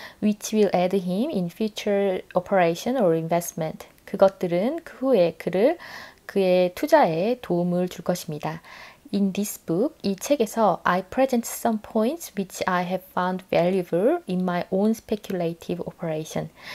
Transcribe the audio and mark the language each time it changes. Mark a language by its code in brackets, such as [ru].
[en] Which will aid him in future operation or investment. [ko] 그것들은 그 후에 그의 투자에 도움을 줄 것입니다. [en] In this book, [ko] 이 책에서 [en] I present some points which I have found valuable in my own speculative operation.